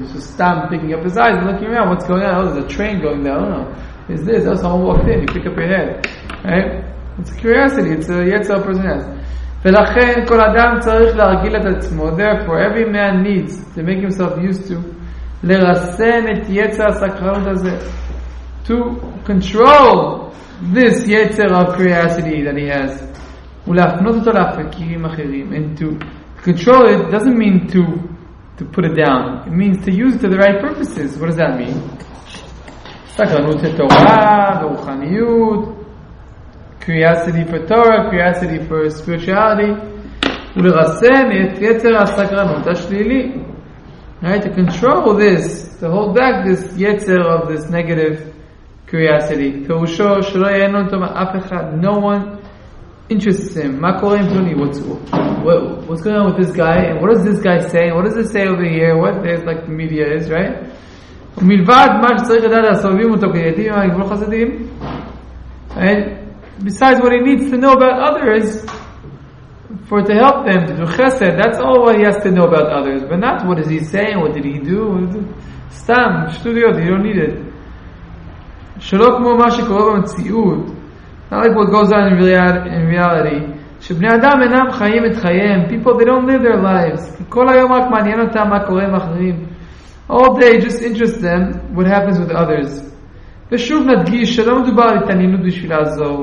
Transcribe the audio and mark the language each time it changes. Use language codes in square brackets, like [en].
[en] He's just stopped picking up his eyes and looking around. What's going on? Oh, there's a train going there. I don't know. Is this? Oh, someone walked in. You pick up your head. Right? It's a curiosity. It's a yetzer a person has. [he] ולכן כל אדם צריך להרגיל את עצמו. [en] Therefore, every man needs to make himself used to [he] לרסן את יצר הסקרנות הזה. [en] To control this yetzer of curiosity that he has. [he] ולהפנות אותו לאפיקים אחרים. [en] And to control it doesn't mean to put it down. It means to use it to the right purposes. What does that mean? [he] סקרנות של תורה, ברוחניות, [en] curiosity for Torah, curiosity for spirituality. [he] ולרסן את יצר הסקרנות השלילי. [en] Right? To control this, to hold back this yetzer of this negative curiosity. [he] פירושו שלא יעניין אותו אף אחד, [en] no one interests him. [he] מה קורה עם פלוני? [en] What's going on with this guy? And what does this guy say? What does it say over here? What this, like the media is, right? [he] ומלבד מה שצריך לדעת הסובבים אותו כידים עם הגבול חסדים. [en] And besides what he needs to know about others, for to help them, to do chesed, that's all what he has to know about others. But not what is he saying, what did he do? Stam, shtudiyot, you don't need it. [he] שלא כמו מה שקורה במציאות, [en] not like what goes on in reality, [he] שבני אדם אינם חיים את חייהם, [en] people, they don't live their lives. [he] כל היום רק מעניין אותם מה קורה עם אחרים. [en] All day, just interest them what happens with others. [he] ושוב נדגיש שלא מדובר על התעניינות בשביל לעזור.